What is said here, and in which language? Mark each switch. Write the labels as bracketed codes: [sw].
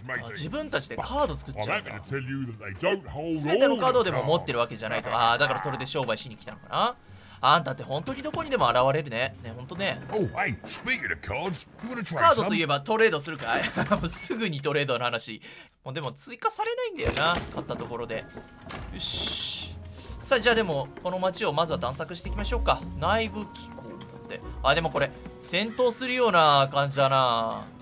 [ja] 自分たちでカード作っちゃうか。全てのカードでも持ってるわけじゃないと。ああ、だからそれで商売しに来たのかな。あんたって本当にどこにでも現れるね。ね、本当ね。 [en] Oh, hey, speaking of cards, you wanna try some? [ja] カードといえばトレードするかい。すぐにトレードの話。もうでも追加されないんだよな、買ったところで。よし。さあ、じゃあでもこの街をまずは探索していきましょうか。内部機構だって。あ、でもこれ戦闘するような感じだな。